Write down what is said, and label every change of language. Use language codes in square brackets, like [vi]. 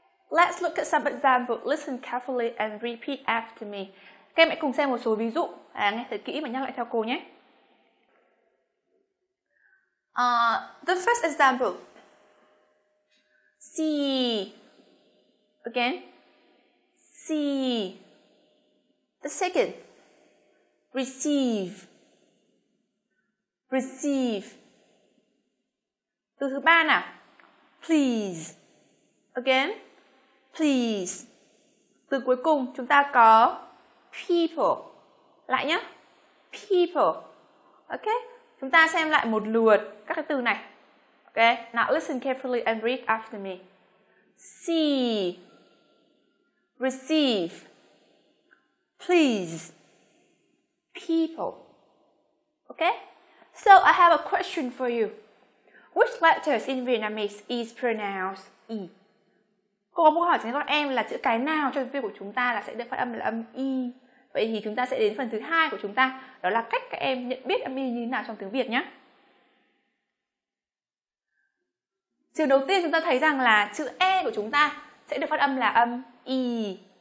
[en] Let's look at some examples. Listen carefully and repeat after me. [vi] Các em hãy cùng xem một số ví dụ. Nghe thật kỹ và nhắc lại theo cô nhé. [en] The first example. See. Again. See. The second. Receive. Receive. [vi] Từ thứ ba nào. [en] Please. Again, please. [vi] Từ cuối cùng chúng ta có people. Lại nhé. People. Ok. Chúng ta xem lại một lượt các cái từ này. [en] Ok. Now listen carefully and read after me. See. Receive. Please. People. Ok. So I have a question for you. Which letters in Vietnamese is pronounced E? [vi] Cô có một câu hỏi cho các em là chữ cái nào cho tiếng Việt của chúng ta là sẽ được phát âm là âm y. Vậy thì chúng ta sẽ đến phần thứ hai của chúng ta, đó là cách các em nhận biết âm y như thế nào trong tiếng Việt nhé. Trường đầu tiên chúng ta thấy rằng là chữ e của chúng ta sẽ được phát âm là âm y.